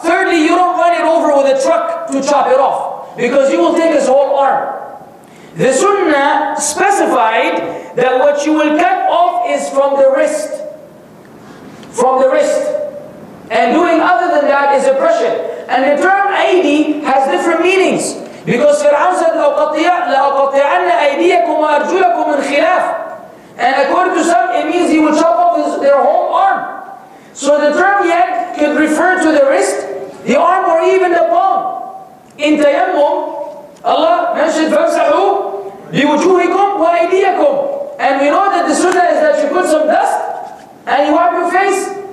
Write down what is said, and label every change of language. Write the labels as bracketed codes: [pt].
[en] Thirdly, you don't run it over with a truck to chop it off, because you will take his whole arm. The Sunnah specified that what you will cut off is from the wrist. From the wrist. And doing other than that is oppression. And the term aidi has different meanings. Because Fir'aun said, [ar] لَأَقَطِعَنَّ أَيْدِيَكُمْ وَأَرْجُلَكُمْ مِنْ خِلَافٍ. [en] And according to some, it means he will chop off their whole arm. So the term yad could refer to the wrist, the arm, or even the palm. In tayammum, Allah mentioned, [ar] فَمْسَحُوا بِوُجُوهِكُمْ وَأَيْدِيَكُمْ. [en] And we know that the sunnah is that you put some dust and you wipe your face.